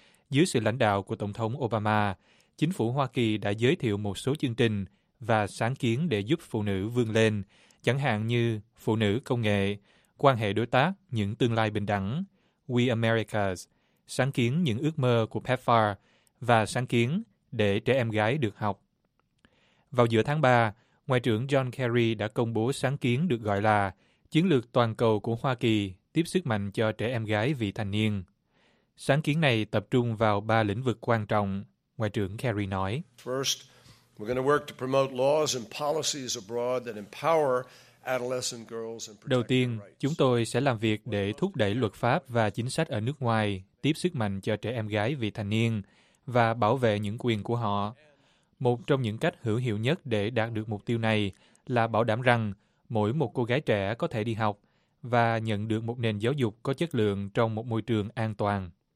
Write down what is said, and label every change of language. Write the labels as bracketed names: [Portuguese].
[Vietnamese] Dưới sự lãnh đạo của Tổng thống Obama, chính phủ Hoa Kỳ đã giới thiệu một số chương trình và sáng kiến để giúp phụ nữ vươn lên, chẳng hạn như phụ nữ công nghệ, quan hệ đối tác, những tương lai bình đẳng, We Americas, sáng kiến những ước mơ của PEPFAR và sáng kiến để trẻ em gái được học. Vào giữa tháng 3, Ngoại trưởng John Kerry đã công bố sáng kiến được gọi là Chiến lược toàn cầu của Hoa Kỳ tiếp sức mạnh cho trẻ em gái vị thành niên. Sáng kiến này tập trung vào 3 lĩnh vực quan trọng, Ngoại trưởng Kerry nói. [English] First, we're going to work to promote laws and policies abroad that empower adolescent girls and protect. [Vietnamese] Đầu tiên, chúng tôi sẽ làm việc để thúc đẩy luật pháp và chính sách ở nước ngoài tiếp sức mạnh cho trẻ em gái vị thành niên và bảo vệ những quyền của họ. Một trong những cách hữu hiệu nhất để đạt được mục tiêu này là bảo đảm rằng mỗi một cô gái trẻ có thể đi học và nhận được một nền giáo dục có chất lượng trong một môi trường an toàn.